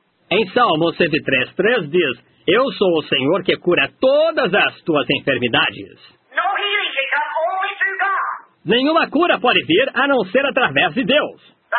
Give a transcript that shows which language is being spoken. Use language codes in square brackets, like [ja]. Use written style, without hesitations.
[pt] Em Salmo 103:3 diz, eu sou o Senhor que cura todas as tuas enfermidades. [en] No healing can come only through God. [pt] Nenhuma cura pode vir a não ser através de Deus.